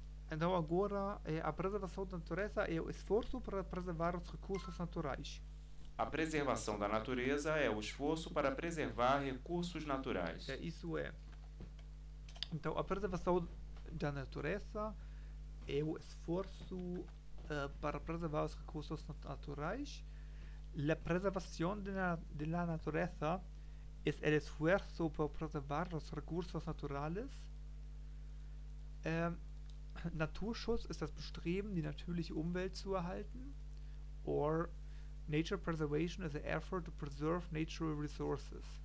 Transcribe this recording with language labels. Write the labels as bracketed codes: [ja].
[pt] Então agora é a preservação da natureza e o esforço para preservar os recursos naturais. A preservação da natureza é o esforço para preservar recursos naturais. Então, a preservação da natureza é o esforço para preservar os recursos naturais. [es] La preservación de la naturaleza es el esfuerzo por preservar los recursos naturales. [de] Naturschutz ist das Bestreben, die natürliche Umwelt zu erhalten. [en] Or nature preservation is the effort to preserve natural resources.